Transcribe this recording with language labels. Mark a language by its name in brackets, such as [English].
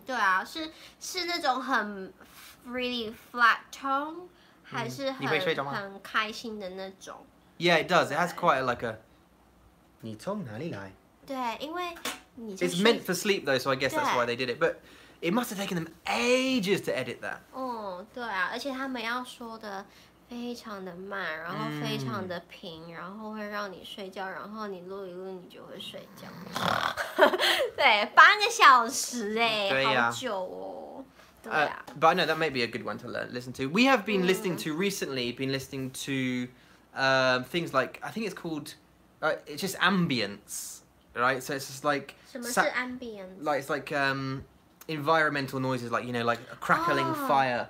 [Chinese] 对啊，是那种很 [English] really flat tone, [Chinese] 还是很开心的那种. [English] Yeah, it does. It has quite a [Chinese] 你从哪里来? 对，因为你就是... [English] It's meant for sleep though, so I guess that's why they did it. But it must have taken them ages to edit that. [Chinese] Oh, 对啊，而且他们要说的非常的慢，然后非常的平，然后会让你睡觉，然后你录一录，你就会睡觉。对，8个小时哎，好久哦。 [English] But I know that may be a good one to learn, listen to. We have been listening to recently, things like, I think it's called, it's just ambience, right? So it's just like... [Chinese] 什么是 ambience? [English] Like, it's like environmental noises, like, you know, like a crackling fire.